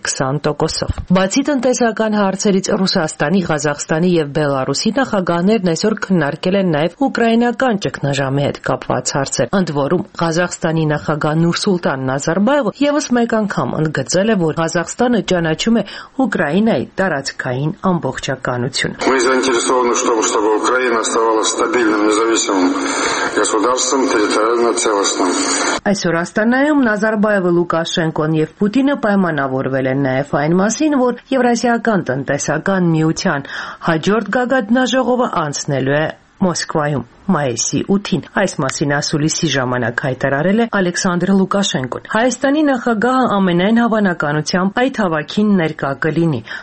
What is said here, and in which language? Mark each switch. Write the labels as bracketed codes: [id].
[hy] 20%-ով։ Բացի տնտեսական հարցերից Ռուսաստանի, Ղազախստանի և Բելարուսի նախագահներն այսօր քննարկել են նաև ուկրաինական ճգնաժամի հետ կապված հարցեր, ընդ որում Ղազախստանի նախագահ Նուրսուլտան Նազարբայևը ևս մեկ անգամ ընդգծել է, որ Ղազախստանը ճանաչում է Ուկրաինայի տարածքային ամբողջականություն։ [ru] Мы заинтересованы, чтобы Украина оставалась стабильным, независимым государством, территориально целостным. [hy] Այսօր Աստանայում Նազարբայևը, Լուկաշենկոն և Պուտինը պայմանավորվել են նաև այն մասին, որ Եվրասիական տնտեսական միության հաջորդ գագաթնաժողովը անցնելու է Մոսկվայում մայիսի 8-ին։ Այս մասին ասուլիսի ժամանակ հայտարարել է Ալեքսանդր Լուկաշենկոն։ Հայաստանի նախագահը ամենայն հավանականությամբ այդ հավաքին ներկա կլինի։